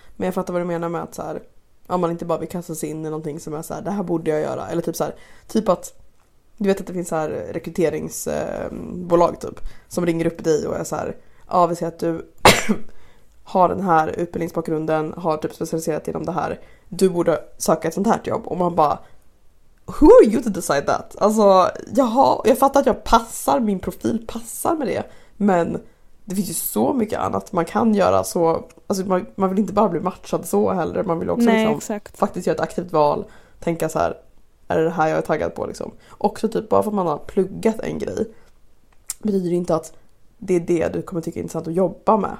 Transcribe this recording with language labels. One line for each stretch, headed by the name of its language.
Swedish: Men jag fattar vad du menar med att så här, om man inte bara vill kasta sig in i någonting som är så här, det här borde jag göra. Eller typ så här, typ att du vet att det finns så här rekryteringsbolag typ som ringer upp dig och är så här, ja, vi ser att du har den här utbildningsbakgrunden, har typ specialiserat inom det här. Du borde söka ett sånt här jobb. Och man bara,
English: who are you to decide that?
Swedish: Alltså, jag fattar att jag passar, min profil passar med det. Men det finns ju så mycket annat man kan göra. Så, alltså man vill inte bara bli matchad så heller. Man vill också faktiskt göra ett aktivt val. Tänka så här, är det här jag är taggad på? Liksom. Också typ bara för att man har pluggat en grej. Betyder inte att det är det du kommer tycka är intressant att jobba med.